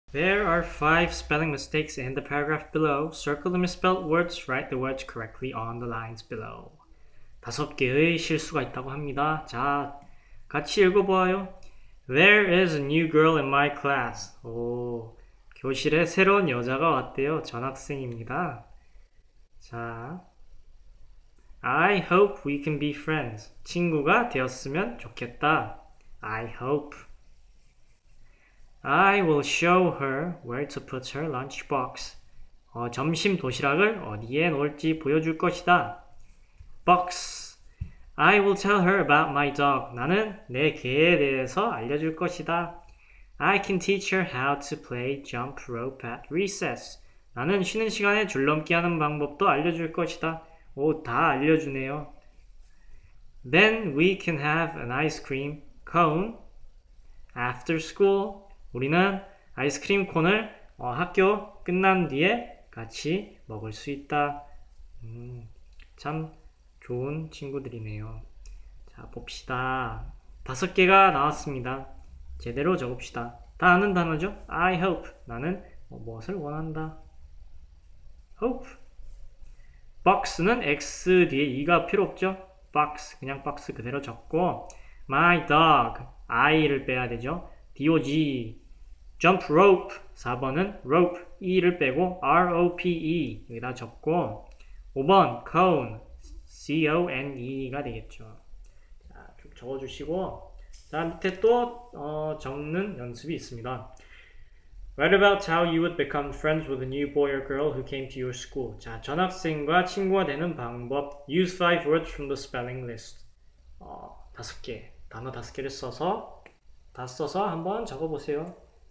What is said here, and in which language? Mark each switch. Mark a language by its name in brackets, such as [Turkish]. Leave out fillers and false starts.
[English] There are five spelling mistakes in the paragraph below. Circle the misspelled words. Write the words correctly on the lines below. [Korean] 다섯 개의 실수가 있다고 합니다. 자, 같이 읽어보아요. [English] There is a new girl in my class. [Korean] 오, 교실에 새로운 여자가 왔대요. 전학생입니다. 자, [English] I hope we can be friends. [Korean] 친구가 되었으면 좋겠다. [English] I hope. I will show her where to put her lunchbox. [Korean] 점심 도시락을 어디에 놓을지 보여줄 것이다. [English] Box. I will tell her about my dog. [Korean] 나는 내 개에 대해서 알려줄 것이다. [English] I can teach her how to play jump rope at recess. [Korean] 나는 쉬는 시간에 줄넘기 하는 방법도 알려줄 것이다. 오, 다 알려주네요. [English] Then we can have an ice cream cone after school. [Korean] 우리는 아이스크림 콘을 학교 끝난 뒤에 같이 먹을 수 있다. 참 좋은 친구들이네요. 자, 봅시다. 다섯 개가 나왔습니다. 제대로 적읍시다. 다 아는 단어죠? [English] I hope. [Korean] 나는 무엇을 원한다. Hope. Box는 X 뒤에 E가 필요 없죠? Box. 그냥 box 그대로 적고. My dog. I를 빼야 되죠? D-O-G. Jump rope. 4번은 rope. E를 빼고 R-O-P-E. 여기다 적고. 5번. Cone. C-O-N-E가 되겠죠. 자, 쭉 적어주시고. 자, 밑에 또, 적는 연습이 있습니다. [English] Write about how you would become friends with a new boy or girl who came to your school. [Korean] 자, 전학생과 친구가 되는 방법. [English] Use 5 words from the spelling list. [Korean] 5개. 단어 5개를 써서 한번 적어보세요.